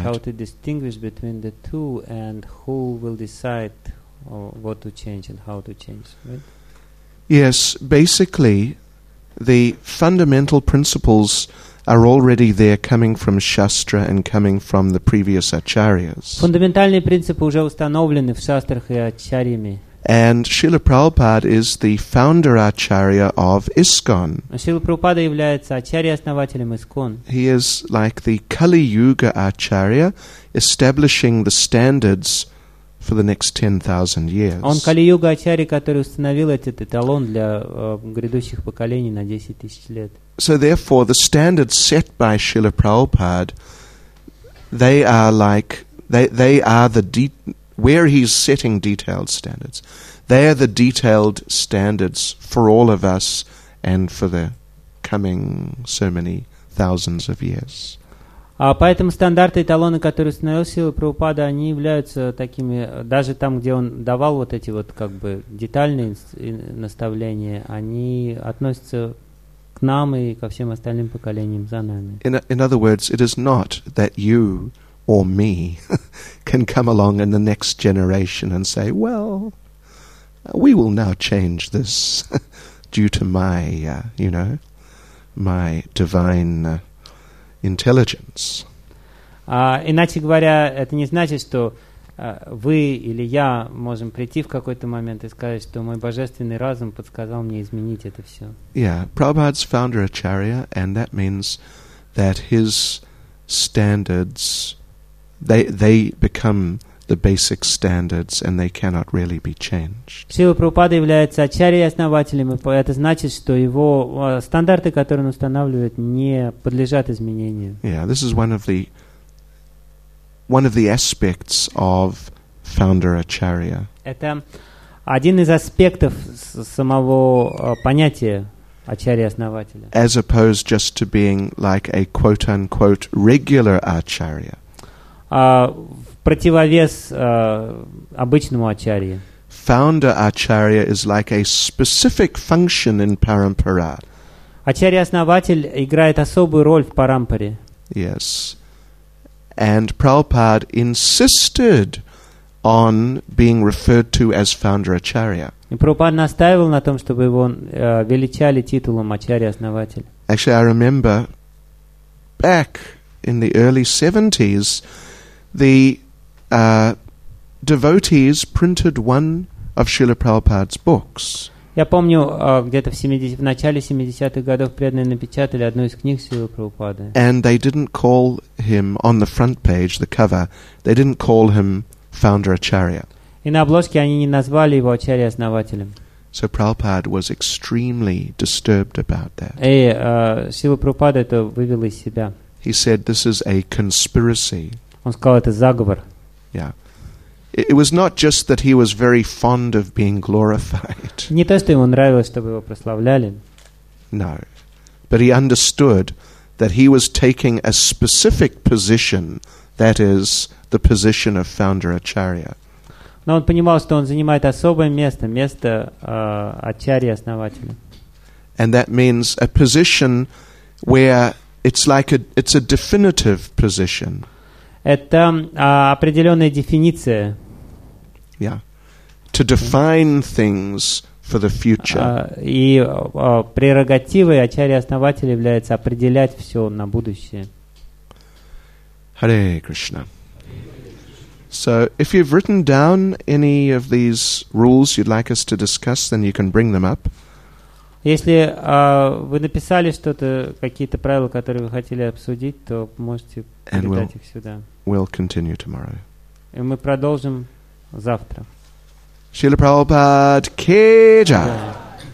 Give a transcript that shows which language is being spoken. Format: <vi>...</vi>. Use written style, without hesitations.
<en>How to distinguish between the two and who will decide what to change and how to change, right? Yes, basically, the fundamental principles are already there coming from Shastra and coming from the previous Acharyas.</en> <ru>Фундаментальные принципы уже установлены в Шастрах и Ачарьями.</ru> <en>And Srila Prabhupada is the founder acharya of ISKCON.</en> <ru>Srila Prabhupada является ачарьей-основателем ISKCON.</ru> <en>He is like the Kali Yuga acharya, establishing the standards for the next 10,000 years.</en> <ru>Он Kali Yuga acharya, который установил этот эталон для грядущих поколений на 10 тысяч лет.</ru> <en>So therefore, the standards set by Srila Prabhupada, where he's setting detailed standards, they are the detailed standards for all of us and for the coming so many thousands of years.</en> <ru>Поэтому стандарты и эталоны, которые установил Сила Прабхупада, они являются такими, даже там, где он давал вот эти вот как бы детальные наставления, они относятся к нам и ко всем остальным поколениям за нами.</ru> <en>In other words, it is not that you or me can come along in the next generation and say, well, we will now change this due to my divine intelligence.</en> <ru>Иначе говоря, это не значит, что вы или я можем прийти в какой-то момент и сказать, что мой божественный разум подсказал мне изменить это все.</ru> <en>Yeah, Prabhupada's founder acharya, and that means that his standards, They become the basic standards, and they cannot really be changed.</en> <ru>Сила Прабхупада является ачарьей-основателем, и это значит, что его стандарты, которые он устанавливает, не подлежат изменению.</ru> <en>Yeah, this is one of the aspects of founder acharya.</en> <ru>Это один из аспектов самого понятия ачарьи-основателя.</ru> <en>As opposed just to being like a quote-unquote regular acharya.</en> <ru>противовес обычному ачарье.</ru> <en>Founder acharya is like a specific function in parampara.</en> <ru>Ачарья-основатель играет особую роль в парампаре.</ru> <en>Yes. And Prabhupada insisted on being referred to as founder acharya.</en> <ru>И Прабхупада настаивал на том, чтобы его величали титулом ачарья-основатель.</ru> <en>Actually, I remember back in the early 70s, the devotees printed one of Srila Prabhupada's books.</en> <ru>Я помню, где-то в начале 70-х годов преданные напечатали одну из книг Шрилы Прабхупады.</ru> <en>And they didn't call him on the front page, the cover, they didn't call him founder acharya.</en> <ru>И на обложке они не назвали его ачарья-основателем.</ru> <en>So Prabhupada was extremely disturbed about that.</en> <ru>И Шрила Прабхупада это вывел из себя.</ru> <en>He said, this is a conspiracy.</en> <ru>Он сказал, это заговор.</ru> <en>Yeah. It was not just that he was very fond of being glorified.</en> <ru>Не то, что ему нравилось, чтобы его прославляли.</ru> <en>No. But he understood that he was taking a specific position, that is, the position of founder acharya.</en> <ru>Но он понимал, что он занимает особое место, место ачарьи-основателя.</ru> <en>And that means a position where it's like it's a definitive position.</en> <ru>Это определенная дефиниция.</ru> <en>Yeah. To define things for the future.</en> <ru>И прерогативой ачарьи-основателя является определять все на будущее.</ru> <en>Hare Krishna. So, if you've written down any of these rules you'd like us to discuss, then you can bring them up.</en> <ru>Если вы написали что-то, какие-то правила, которые вы хотели обсудить, то можете передать их сюда.</ru> <en>We'll continue tomorrow.</en> <ru>И мы продолжим завтра. Шрила Прабхупада ки джай.</ru>